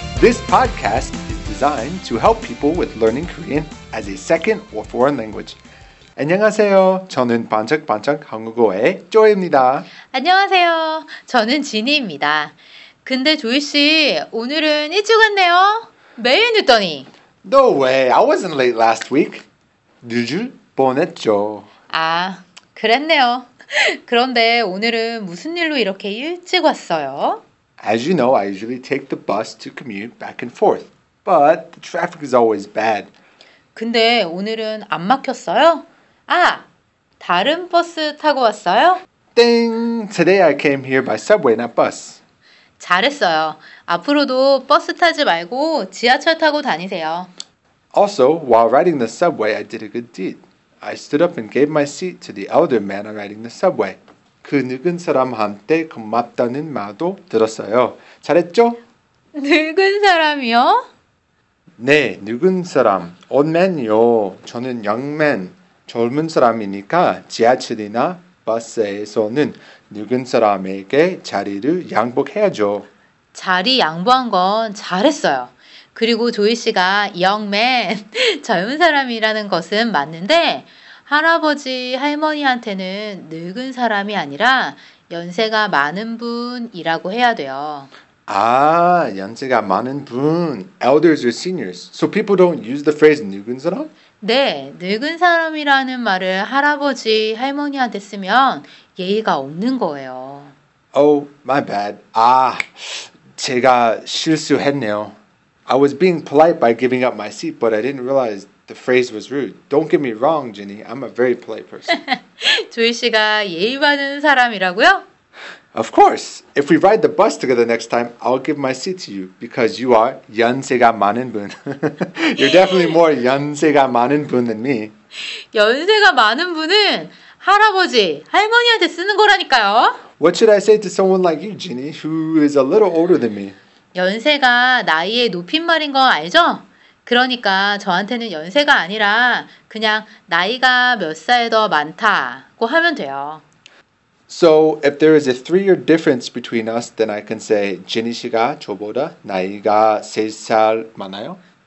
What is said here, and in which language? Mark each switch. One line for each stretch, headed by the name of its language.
English: This podcast is designed to help people with learning Korean as a second or foreign language.
Korean: 안녕하세요. 저는 반짝반짝 한국어의 조이입니다. 안녕하세요. 저는 진희입니다. 근데 조이 씨, 오늘은 일찍 왔네요. 매일 늦더니.
English: No way. I wasn't late last week.
Korean: 늦을 뻔했죠. 아, 그랬네요. 그런데 오늘은 무슨 일로 이렇게 일찍 왔어요?
English: As you know, I usually take the bus to commute back and forth. But the traffic is always bad.
Korean: 근데 오늘은 안 막혔어요? 아, 다른 버스 타고 왔어요?
English: Ding! Today I came here by subway, not bus.
Korean: 잘했어요. 앞으로도 버스 타지 말고 지하철 타고 다니세요.
English: Also, while riding the subway, I did a good deed. I stood up and gave my seat to the elder man riding the subway.
Korean: 그 늙은 사람한테 고맙다는 말도 들었어요. 잘했죠? 늙은 사람이요? 네, 늙은 사람. Old man이요. 저는 young man. 젊은 사람이니까 지하철이나 버스에서는 늙은 사람에게 자리를 양보해야죠. 자리 양보한 건 잘했어요. 그리고 조이 씨가 young man, 젊은 사람이라는 것은 맞는데 할아버지, 할머니한테는 늙은 사람이 아니라 연세가 많은 분이라고 해야 돼요. 아, 연세가 많은 분.
English: Elders or seniors. So people don't use the phrase 늙은 사람?
Korean: 네, 늙은 사람이라는 말을 할아버지, 할머니한테 쓰면 예의가 없는 거예요.
English: Oh, my bad.
Korean: 아, 제가 실수했네요.
English: I was being polite by giving up my seat, but I didn't realize the phrase was rude. Don't get me wrong, Jenny. I'm a very polite person.
Korean: 조이 씨가 예의 바른 사람이라고요?
English: Of course. If we ride the bus together next time, I'll give my seat to you because you are 연세가 많은 분. You're definitely more 연세가 많은 분 than me.
Korean: 연세가 많은 분은 할아버지, 할머니한테 쓰는 거라니까요.
English: What should I say to someone like you, Jenny, who is a little older than me?
Korean: 연세가 나이의 높임말인 거 알죠? 그러니까 저한테는 연세가 아니라 그냥 나이가 몇 살 더 많다고 하면 돼요.
English: So, if there is a three-year difference between us, then I can say,
Korean: 제니 씨가 저보다 나이가 세 살 많아요?